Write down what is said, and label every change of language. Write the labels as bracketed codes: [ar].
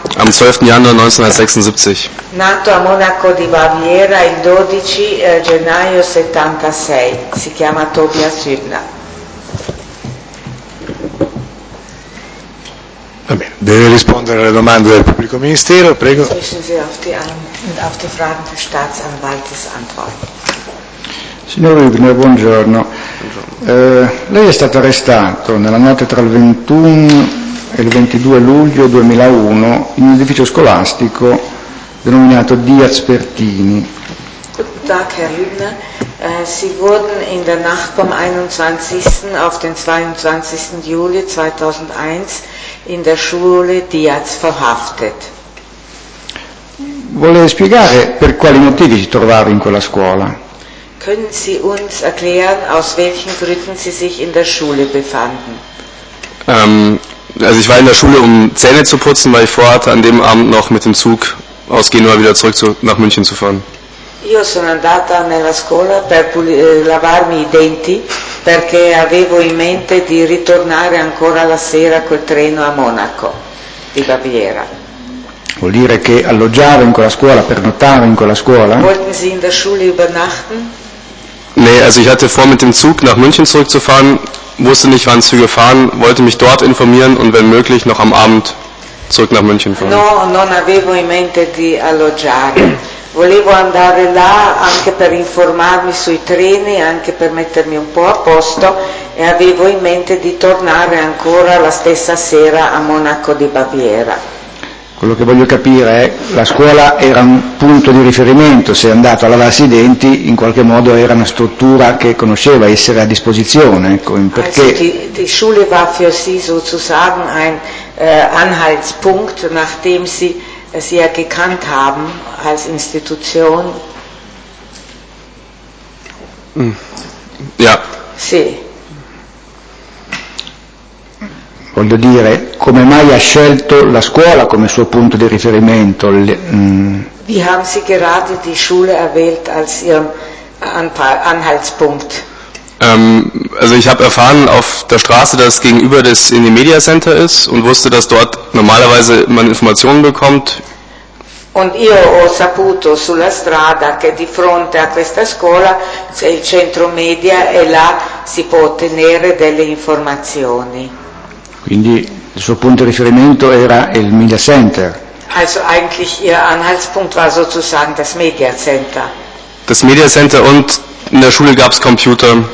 [de] Am 12. Januar 1976. [it] Nato a Monaco di Baviera il 12 gennaio 76. Si chiama Tobias Hübner. Va bene, deve rispondere alle domande del pubblico ministero, prego. [de] Auf die Fragen des Staatsanwaltes antworten. [it] Signor Hübner, buongiorno. Lei è stato arrestato nella notte tra il 21 e il 22 luglio 2001 in un edificio scolastico denominato Diaz Pertini. [de] Guten Tag, Herr Hübner. Sie wurden in der Nacht vom 21. auf den 22. Juli 2001 in der Schule Diaz verhaftet. [it] Vuole spiegare per quali motivi si trovava in quella scuola? [de] Können Sie uns erklären, aus welchen Gründen Sie sich in der Schule befanden? Also ich war in der Schule, um Zähne zu putzen, weil ich vorhatte, an dem Abend noch mit dem Zug aus Genua wieder zurück nach München zu fahren. [it] Io sono andata nella scuola per lavarmi i denti, perché avevo in mente di ritornare ancora la sera col treno a Monaco, di Baviera. Vuol dire che alloggiavo in quella scuola, pernottavo in quella scuola? [de] Wollten Sie in der Schule übernachten? Nee, also ich hatte vor, mit dem Zug nach München zurückzufahren, wusste nicht, wann Züge fahren, wollte mich dort informieren und wenn möglich noch am Abend zurück nach München fahren. [it] No, non avevo in mente di alloggiare. Volevo andare là anche per informarmi sui treni, anche per mettermi un po' a posto e avevo in mente di tornare ancora la stessa sera a Monaco di Baviera. Quello che voglio capire è, la scuola era un punto di riferimento, se è andato a lavarsi i denti, in qualche modo era una struttura che conosceva, essere a disposizione, ecco, perché... [de] Also die Schule war für Sie sozusagen ein Anhaltspunkt, nachdem Sie sie ja gekannt haben als Institution. Ja. [it] Sì. Voglio dire, come mai ha scelto la scuola come suo punto di riferimento? [de] Wie haben Sie gerade die Schule erwählt als Ihren Anhaltspunkt? Also ich habe erfahren auf der Straße, dass gegenüber das in dem Media Center ist und wusste, dass dort normalerweise man Informationen bekommt. [it] Und io ho saputo sulla strada che di fronte a questa scuola c'è il centro media e là si può ottenere delle informazioni. Quindi il suo punto di riferimento era il Media Center. [de] Also eigentlich ihr Anhaltspunkt war sozusagen das Media Center. Das Media Center und in der Schule gab es Computer.